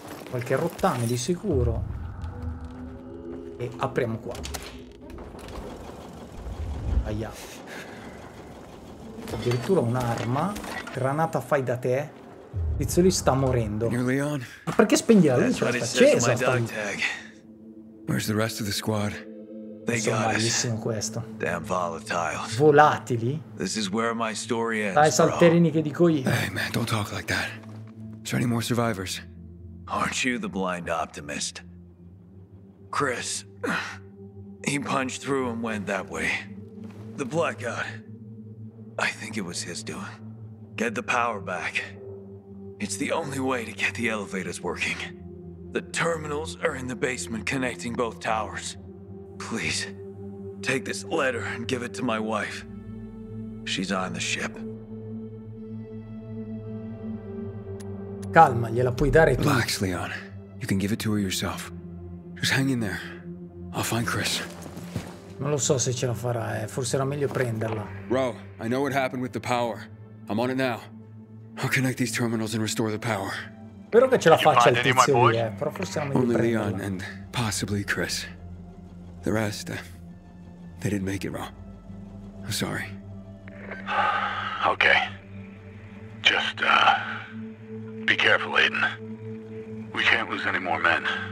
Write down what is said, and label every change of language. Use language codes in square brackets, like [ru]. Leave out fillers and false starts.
[it] Qualche rottame di sicuro. E apriamo qua. Aia. Addirittura un'arma. Granata fai da te. Tizio lì sta morendo. Leon? Ma perché spegni la luce? Sta accesa. [en] Where's the rest of the squad? They got us. [it] Questo. [en] Damn volatiles. [it] Volatili. [en] This is where my story ends. [it] Dai, salterini, che dico io. [en] Hey man, don't talk like that. Are there any more survivors? Aren't you the blind optimist? Chris. He punched through and went that way. The blackout. I think it was his doing. Get the power back. It's the only way to get the elevators working. The terminals are in the basement connecting both towers. Please, take this letter and give it to my wife. She's on the ship. [it] Calma, gliela puoi dare tu. [en] Relax, Leon. You can give it to her yourself. Just hang in there. I'll find Chris. [it] Non lo so se ce la farà, Forse era meglio prenderla. [en] Ro, I know what happened with the power. I'm on it now. I'll connect these terminals and restore the power. [it] Spero che ce la faccia il tizio lì, Però forse era meglio [en] only [it] prenderla. [en] Leon and possibly Chris. The rest, they didn't make it, Ro. I'm sorry. Okay. Just, be careful, Aiden. We can't lose any more men.